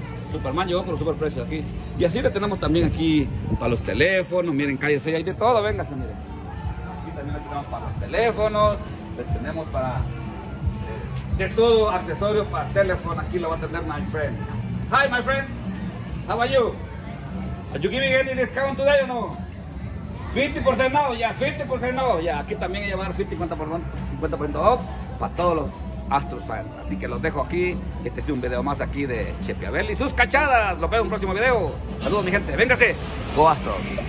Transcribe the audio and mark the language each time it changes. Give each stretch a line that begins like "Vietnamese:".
Spanish: Superman llegó con los super precios aquí. Y así le tenemos también aquí para los teléfonos. Miren, calle 6, hay de todo. Véngase, miren. Aquí también le tenemos para los teléfonos. Le tenemos para de todo, accesorios para teléfono. Aquí lo va a tener
English: my friend. Hi, my friend. How are you? Are you giving any discount today or no?
Spanish: 50% no, ya, 50% no. Ya, aquí también hay llevar 50% off para todos los Astros fans. Así que los dejo aquí. Este es un video más aquí de Chepe Abel y sus cachadas. Los veo en un próximo video. Saludos, mi gente. Véngase.
English: Go Astros.